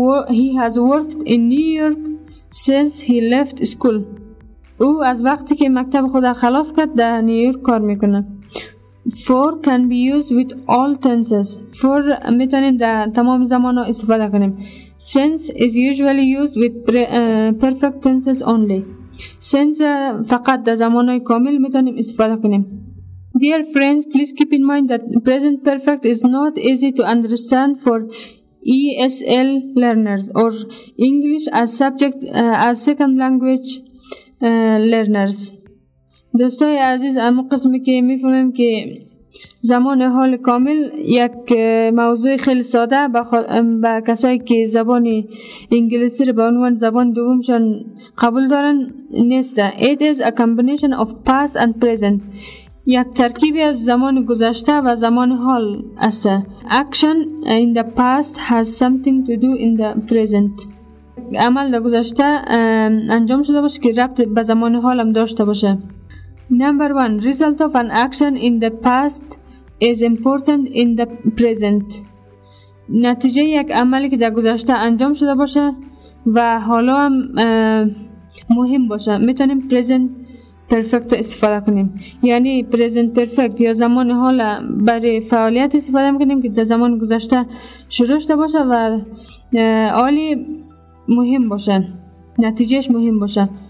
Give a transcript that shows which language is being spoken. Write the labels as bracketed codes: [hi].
[en] He has worked in New York since he left school. [fa] او از وقتی که مکتب خود خلاص کرد در نیویورک کار میکنه. [en] For can be used with all tenses. [fa] For میتونیم در تمام زمان ها استفاده کنیم. [en] Since is usually used with perfect tenses only. [fa] Since فقط در زمان های کامل میتونیم استفاده کنیم. [en] Dear friends, please keep in mind that present perfect is not easy to understand for ESL learners or English as subject as second language learners. [fa] دوستای عزیز، اما قسمی که میفهمیم که زمان حال کامل یک موضوع خیلی ساده به کسایی که زبان انگلیسی رو به عنوان زبان دومشان قبول دارن نیسته. [en] It is a combination of past and present. [fa] یک ترکیبی از زمان گذشته و زمان حال است. [en] Action in the past has something to do in the present. [fa] عمل در گذشته انجام شده باشه که ربط به زمان حال هم داشته باشه. [en] Number one, result of an action in the past is important in the present. [fa] نتیجه یک عملی که در گذشته انجام شده باشه و حالا هم مهم باشه. میتونیم present perfect استفاده کنیم. یعنی present perfect یا زمان حال برای فعالیت استفاده میکنیم که در زمان گذشته شروع شده باشه و عالی مهم باشه، نتیجهش مهم باشه.